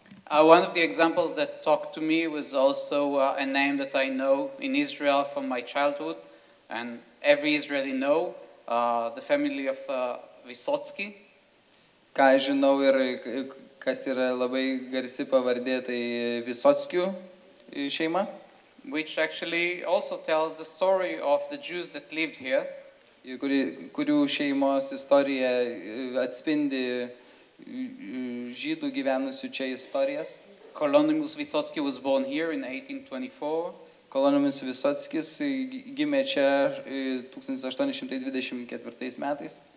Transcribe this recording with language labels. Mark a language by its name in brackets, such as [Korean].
[English] One of the examples that talked to me was also a name that I know in Israel from my childhood, and every Israeli know, the family of Vysotsky. [Lithuanian] Ką žinau ir kas yra labai garsi pavardė, tai Vysotskių šeima. [English] Which actually also tells the story of the Jews that lived here. [Lithuanian] Kurių šeimos istorija atspindi žydų gyvenusių čia istorijas. [English] Kolonimus Vysotsky was born here in 1824. [Lithuanian] Kolonimus Vysotskis gimė čia 1824 metais.